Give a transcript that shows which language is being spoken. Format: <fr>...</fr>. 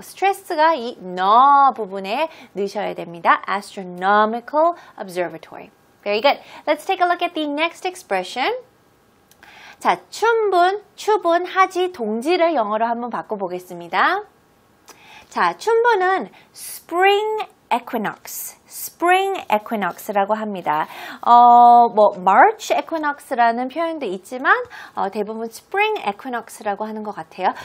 <ko>스트레스가 이 no 부분에 넣으셔야 됩니다.</ko> <en>astronomical observatory. Very good. Let's take a look at the next expression.</en> <ko>자, 추분하지 동지를 영어로 한번 바꿔보겠습니다. 자, 춘분은 spring equinox. spring equinox라고 합니다. 뭐 March equinox라는 표현도 있지만 대부분 spring equinox라고 하는 것 같아요.</ko>